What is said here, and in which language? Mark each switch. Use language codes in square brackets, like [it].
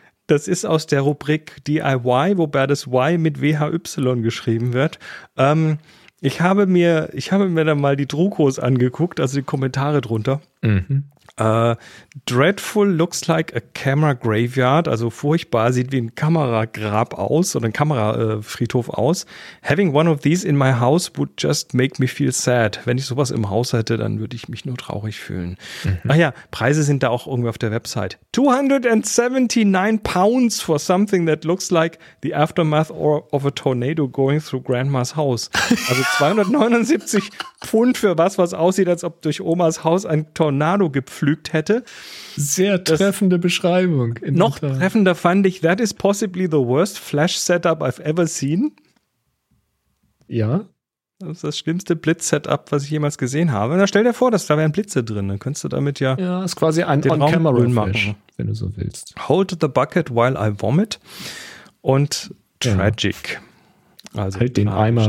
[de] Das ist aus der Rubrik DIY, wobei das Y mit WHY geschrieben wird. Ich habe mir da mal die Drukos angeguckt, also die Kommentare drunter. Mhm. [en] Dreadful looks like a camera graveyard, [de] also furchtbar, sieht wie ein Kameragrab aus oder ein Kamerafriedhof aus. [en] Having one of these in my house would just make me feel sad. [de] Wenn ich sowas im Haus hätte, dann würde ich mich nur traurig fühlen. Mhm. Ach ja, Preise sind da auch irgendwie auf der Website. [en] £279 for something that looks like the aftermath of a tornado going through grandma's house. [de] Also 279 Pfund für was aussieht, als ob durch Omas Haus ein Tornado gepflügt hätte. Sehr treffende Beschreibung. Noch treffender fand ich, [en] that is possibly the worst flash setup I've ever seen. [de] Ja. Das ist das schlimmste Blitz-Setup, was ich jemals gesehen habe. Na, stell dir vor, dass da wären Blitze drin. Dann könntest du damit ja. Ja, ist quasi ein On-Camera-Flash, wenn du so willst. [en] Hold the bucket while I vomit. Und tragic. Ja. [de] Also halt den Eimer.